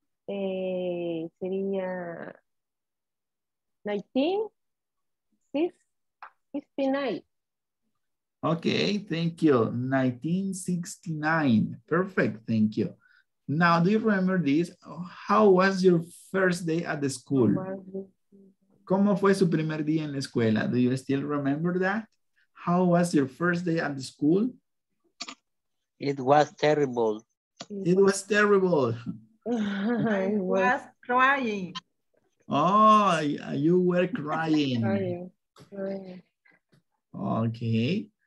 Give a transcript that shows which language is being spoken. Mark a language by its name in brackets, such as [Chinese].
[Spanish] Sería 1969. [English] Okay, thank you, 1969. Perfect, thank you. Now, do you remember this? How was your first day at the school? [Spanish] ¿Cómo fue su primer día en la escuela? [English] Do you still remember that? How was your first day at the school? It was terrible. I was crying. Oh, you were crying. Okay.